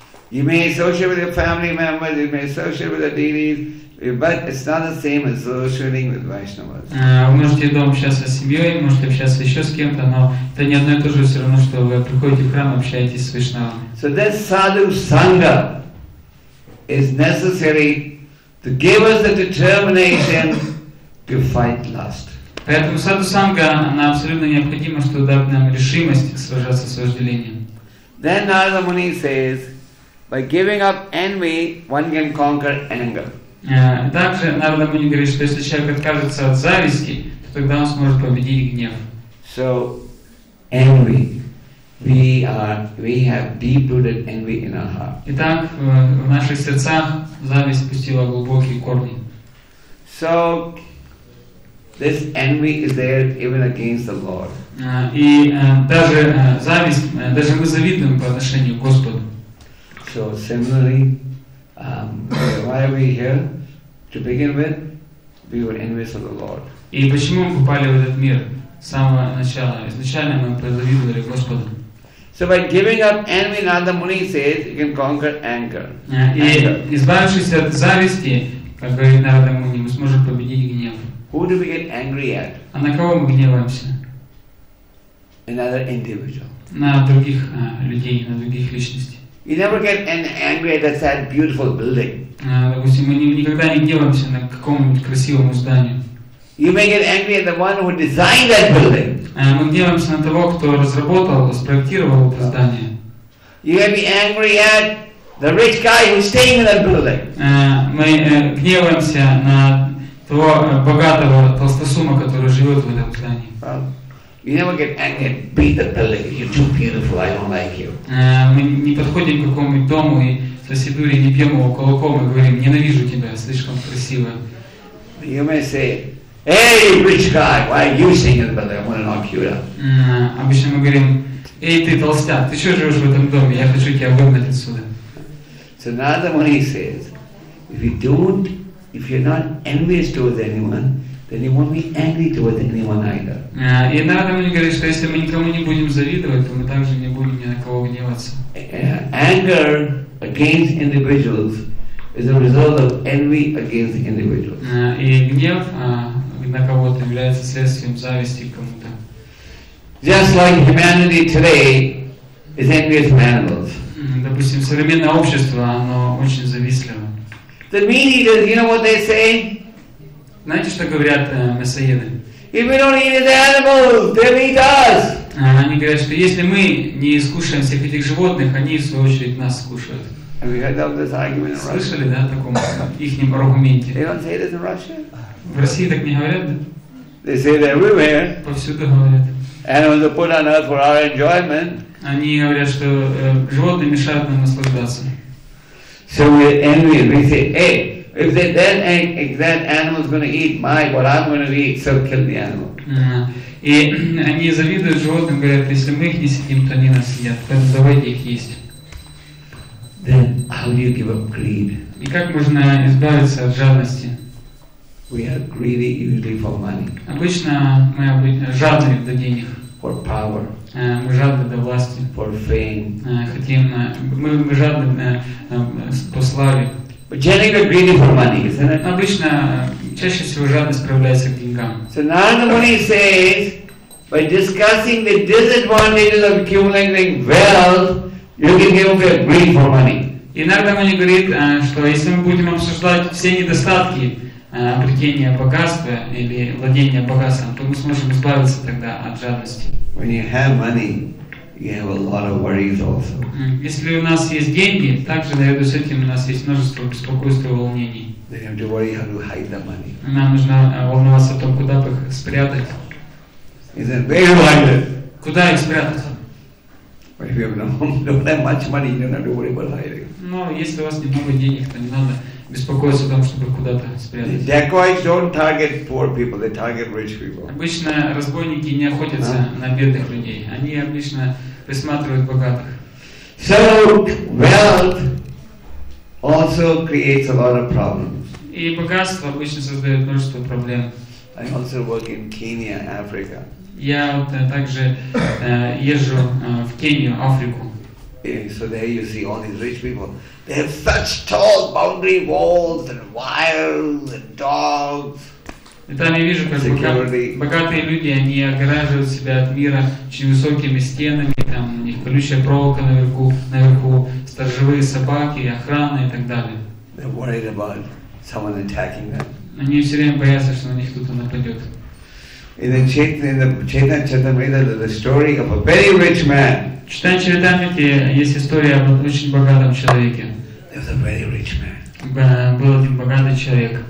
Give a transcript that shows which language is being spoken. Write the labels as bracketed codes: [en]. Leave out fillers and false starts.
[en] You may associate with your family members, you may associate with the deities, but it's not the same as associating with Vaishnavas. [ru] Вы можете дома общаться с семьей, можете общаться еще с кем-то, но это не одно и то же, все равно, что вы приходите в храм и общаетесь с Вайшнавами. [en] So this sadhu sangha is necessary to give us the determination to fight lust. [ru] Поэтому саду санга она абсолютно необходима, чтобы дать нам решимость сражаться с вожделением. [en] Then Narada Muni says, by giving up envy, one can conquer anger. [ru] Также Narada Muni говорит, что если человек откажется от зависти, то тогда он сможет победить гнев. [en] So envy, we have deep-rooted envy in our heart. [ru] Итак, в наших сердцах зависть пустила глубокие корни. [en] So this envy is there even against the Lord. [ru] Даже зависть, даже мы завидуем по отношению к Господу. [en] So similarly, why are we here? To begin with, we were envious of the Lord. [ru] И почему мы попали в этот мир с самого начала? Изначально мы позавидовали Господу. [en] So by giving up envy, Narada Muni says, you can conquer anger. [ru] Избавившись от зависти, как говорит Нарада Муни, мы сможем победить гнев. [en] Who do we get angry at? [ru] А на кого мы гневаемся? [en] Another individual. [ru] На других людей, на других личностей. [en] You never get angry at that sad, beautiful building. [ru] Допустим, мы никогда не гневаемся на каком-нибудь красивом здании. [en] You may get angry at the one who designed that building. [ru] Мы гневаемся на того, кто разработал, спроектировал это здание. [en] You may be angry at the rich guy who's staying in that building. [ru] Мы гневаемся на того богатого толстосума, который живет в этом здании. [en] You never get angry at beat the building. You're too beautiful. I don't like you. [ru] Мы не подходим к какому-нибудь дому и со сидури не пьем его кулаком и говорим: ненавижу тебя, слишком красиво. [en] You may say, hey, rich guy, why are you staying in the building? I want to knock you out. [ru] Обычно мы говорим: эй, ты толстяк, ты что живешь в этом доме? Я хочу тебя выгнать отсюда. [en] So another one he says, if you're not envious towards anyone, then you won't be angry towards anyone either. [ru] И Нарада Муни говорит, что если мы никому не будем завидовать, то мы также не будем ни на кого гневаться. [en] Anger against individuals is a result of envy against individuals. [ru] И гнев на кого-то является следствием зависти к кому-то. [en] Just like humanity today is envious of animals. [ru] Допустим, современное общество, оно очень завистливо. [en] The meat-eaters, you know what they say? [ru] Знаете, что говорят мясоеды? [en] If we don't eat the animals, they'll eat us. [ru] Они говорят, что если мы не скушаем всех этих животных, они в свою очередь нас скушают. [en] Have you heard of this argument in Russia? [ru] Слышали, да, о таком ихнем аргументе? [en] They don't say this in Russia? [ru] В России так не говорят, да? [en] They say that everywhere. [ru] Повсюду говорят. [en] Animals are put on earth for our enjoyment. [ru] Они говорят, что животные мешают нам наслаждаться. [en] So we're envious. We say, "Hey, if that animal is going to eat my what I'm going to eat, so kill the animal." [ru] И они завидуют животным, говорят, если мы их не съедим, то они нас съедят. Поэтому давайте их есть. [en] Then how do you give up greed? [ru] И как можно избавиться от жадности? [en] We are greedy usually for money. [ru] Обычно мы жадны до денег. [en] For power. [ru] Мы жадны до власти. [en] For fame. [ru] Мы жадны по славе. [en] But generally greedy for money, isn't it? [ru] Обычно чаще всего жадность проявляется к деньгам. [en] So Narada Muni says, by discussing the disadvantages of accumulating wealth, You can give him greed for money. [ru] И Нардам они говорит, что если мы будем обсуждать все недостатки обретения богатства или владения богатством, то мы сможем избавиться тогда от жадности. [en] When you have money, you have a lot of worries also. [ru] Если у нас есть деньги, также наряду с этим у нас есть множество беспокойств и волнений. [en] Then you have to worry how to hide the money. [ru] Нам нужно волноваться о том, куда бы их спрятать. [en] Is it very hard? [ru] Куда их спрятать? [en] But if you have don't have much money, you don't have to worry about hiding. [ru] Но если у вас немного денег, то не надо беспокоиться о том, чтобы куда-то спрятать. [en] The dacoits don't target poor people; they target rich people. [ru] Обычно разбойники не охотятся на бедных людей. Они обычно присматривают богатых. [en] So wealth also creates a lot of problems. [ru] И богатство обычно создает множество проблем. [en] I also work in Kenya, Africa. [ru] Я вот также езжу в Кению, Африку. [en] So there you see all these rich people. They have such tall boundary walls and wires and dogs. [ru] И там я вижу, как богатые люди, они ограждают себя от мира очень высокими стенами, там у них колючая проволока наверху, сторожевые собаки, охрана и так далее. [en] They're worried about someone attacking them. [ru] Они все время боятся, что на них кто-то нападет. [en] In the Chaitanya Charitamrita, there's a story of a very rich man. [ru] В Читании Чаритамрите есть история об очень богатом человеке. [en] He was a very rich man. [ru] Был один богатый человек.